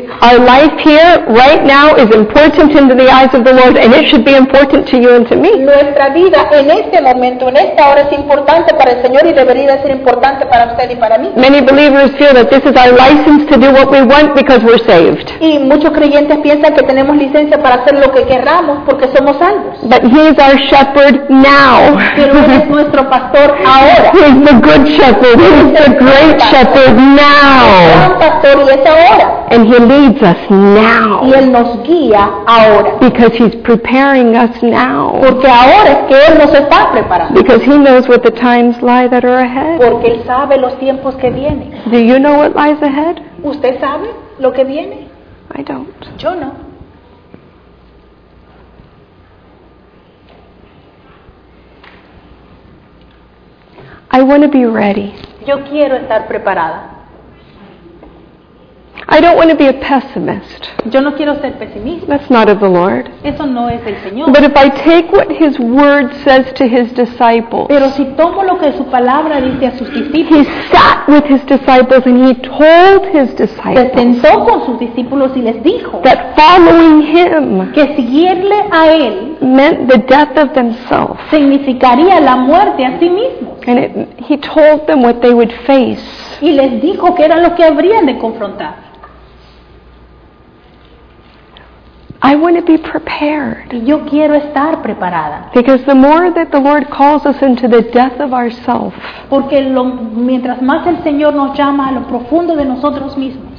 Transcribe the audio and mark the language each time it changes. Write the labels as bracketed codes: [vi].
[en] Our life here, right now, is important into the eyes of the Lord, and it should be important to you and to me. [es] Nuestra vida en este momento, en esta hora, es importante para el Señor y debería ser importante para usted y para mí. [en] Many believers feel that this is our license to do what we want because we're saved. [es] Y muchos creyentes piensan que tenemos licencia para hacer lo que queramos porque somos salvos. [en] But He is our shepherd now. [es] Pero Él es nuestro pastor ahora. [en] He is the good shepherd. He is the great shepherd now. And He leads us now. [es] Y Él nos guía ahora. [en] Because He's preparing us now. [es] Porque ahora es que Él nos está preparando. [en] Because He knows what the times lie that are ahead. [es] Porque Él sabe los tiempos que vienen. [en] Do you know what lies ahead? [es] ¿Usted sabe lo que viene? [en] I don't. [es] Yo no. [en] I want to be ready. [es] Yo quiero estar preparada. [en] I don't want to be a pessimist. [es] Yo no quiero ser pesimista. [en] That's not of the Lord. [es] Eso no es del Señor. [en] But if I take what His word says to His disciples, [es] pero si tomo lo que su palabra dice a sus discípulos, [en] He sat with His disciples and He told His disciples, [es] se sentó con sus discípulos y les dijo, [en] that following Him, [es] que seguirle a Él, [en] meant the death of themselves, [es] significaría la muerte a sí mismos. [en] And He told them what they would face. [es] Y les dijo que era lo que habrían de confrontar. [en] I want to be prepared. [es] Yo quiero estar preparada. [en] Because the more that the Lord calls us into the death of ourselves, [es] porque mientras más el Señor nos llama a lo profundo de nosotros mismos,